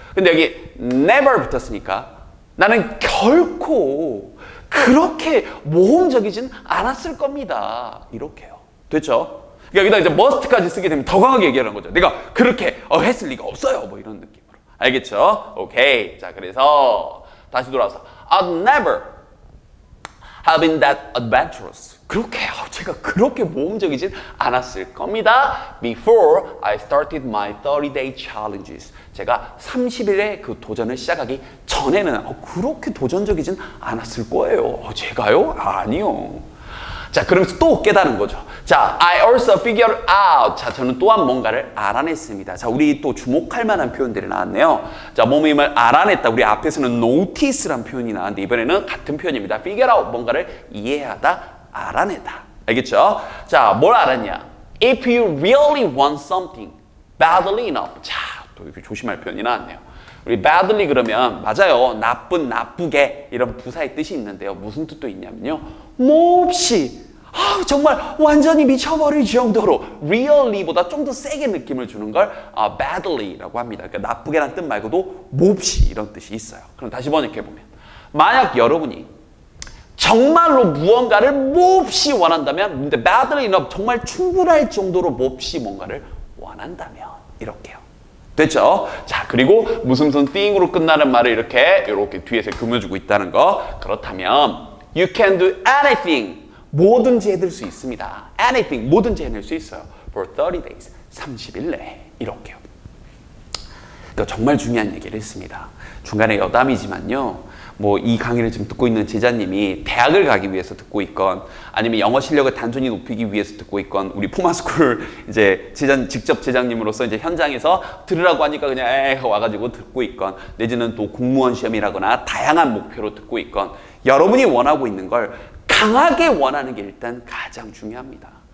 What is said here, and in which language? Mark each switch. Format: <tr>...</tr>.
<ko>근데 여기 never 붙었으니까 나는 결코 그렇게 모험적이진 않았을 겁니다. 이렇게요. 됐죠? 그러니까 여기다 이제 must까지 쓰게 되면 더 강하게 얘기하는 거죠. 내가 그렇게 했을 리가 없어요. 뭐 이런 느낌으로. 알겠죠? 오케이. 자, 그래서 다시 돌아와서</ko> <en>I'd never have been that adventurous.</en> <ko>그렇게 제가 그렇게 모험적이진 않았을 겁니다.</ko> <en>Before I started my 30-day challenges.</en> <ko>제가 30일에 그 도전을 시작하기 전에는 그렇게 도전적이진 않았을 거예요. 제가요? 아니요. 자, 그러면서 또 깨달은 거죠.</ko> <en>자, I also figured out.</en> <ko>자, 저는 또한 뭔가를 알아냈습니다. 자, 우리 또 주목할 만한 표현들이 나왔네요. 자, 뭐뭐임을 알아냈다. 우리 앞에서는 notice란 표현이 나왔는데 이번에는 같은 표현입니다.</ko> <en>Figure out,</en> <ko>뭔가를 이해하다, 알아내다. 알겠죠? 자, 뭘 알았냐?</ko> <en>If you really want something badly enough.</en> <ko>자, 또 이렇게 조심할 표현이 나왔네요. 우리 badly 그러면 맞아요. 나쁜, 나쁘게 이런 부사의 뜻이 있는데요. 무슨 뜻도 있냐면요. 몹시 정말 완전히 미쳐버릴 정도로 really보다 좀 더 세게 느낌을 주는 걸 badly라고 합니다. 그러니까 나쁘게란 뜻 말고도 몹시 이런 뜻이 있어요. 그럼 다시 번역해보면 만약 여러분이 정말로 무언가를 몹시 원한다면 근데</ko> <en>badly enough</en> <ko>정말 충분할 정도로 몹시 뭔가를 원한다면 이렇게요. 됐죠? 자, 그리고 무슨 무슨 thing으로 끝나는 말을 이렇게 이렇게 뒤에서 금여주고 있다는 거. 그렇다면</ko> <en>You can do anything.</en> <ko>뭐든지 해낼 수 있습니다.</ko> <en>Anything.</en> <ko>뭐든지 해낼 수 있어요.</ko> <en>For 30 days.</en> <ko>30일 내에. 이렇게요. 또 정말 중요한 얘기를 했습니다. 중간에 여담이지만요. 뭐 이 강의를 지금 듣고 있는 제자님이 대학을 가기 위해서 듣고 있건 아니면 영어 실력을 단순히 높이기 위해서 듣고 있건 우리 포마스쿨 이제 제자님, 직접 제자님으로서 이제 현장에서 들으라고 하니까 그냥 에이 와가지고 듣고 있건 내지는 또 공무원 시험이라거나 다양한 목표로 듣고 있건 여러분이 원하고 있는 걸 강하게 원하는 게 일단 가장 중요합니다.</ko>